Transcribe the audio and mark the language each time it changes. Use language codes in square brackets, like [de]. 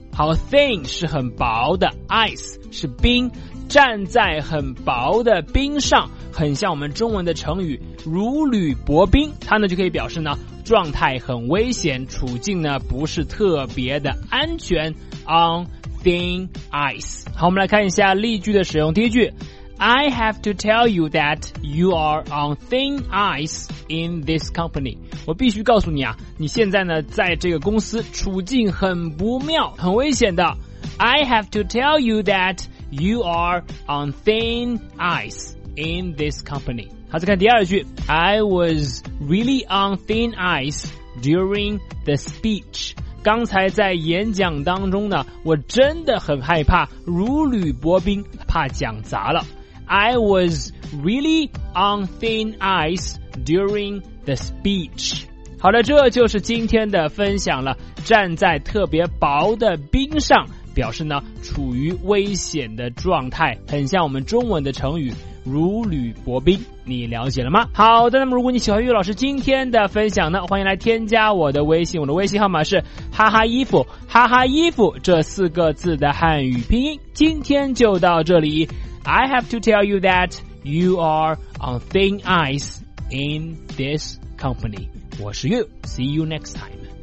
[zh] 好， thin 是很薄的， ice 是冰，站在很薄的冰上，很像我们中文的成语如履薄冰，它呢就可以表示呢状态很危险，处境呢不是特别的安全。 [en] On thin ice。 [zh] 好，我们来看一下例句的使用。第一句， [en] I have to tell you that you are on thin ice in this company。 [zh] 我必须告诉你啊，你现在呢在这个公司处境很不妙，很危险的。 [en] I have to tell you that you are on thin ice in this company。 [zh] 好，再看第二句， [en] I was really on thin ice during the speech。 [zh] 刚才在演讲当中呢，我真的很害怕，如履薄冰，怕讲砸了。 [en] I was really on thin ice during the speech。 [zh] 好了，这就是今天的分享了。站在特别薄的冰上，表示呢处于危险的状态，很像我们中文的成语如履薄冰，你了解了吗？好的，那么如果你喜欢岳老师今天的分享呢，欢迎来添加我的微信，我的微信号码是哈哈衣服，哈哈衣服这四个字的汉语拼音。今天就到这里， [en] I have to tell you that you are on thin ice in this company。 [zh] 我是岳， [en] See you next time。